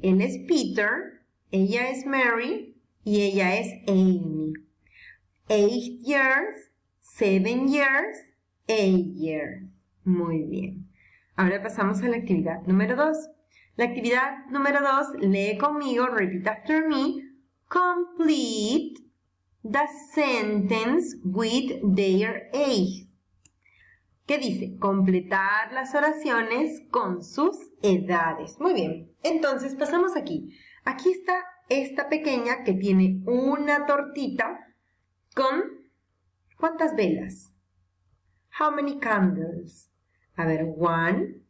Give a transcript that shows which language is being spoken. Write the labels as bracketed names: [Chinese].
[Spanish] Él es Peter. Ella es Mary y ella es Amy. [English] 8 years, 7 years, 8 years. [Spanish] Muy bien. Ahora pasamos a la actividad número 2. La actividad número 2, lee conmigo, [English] repeat after me. Complete the sentence with their age. [Spanish] ¿Qué dice? Completar las oraciones con sus edades. Muy bien. Entonces pasamos aquí. Aquí está esta pequeña que tiene una tortita con ¿cuántas velas? [English] How many candles? [Spanish] A ver, 1,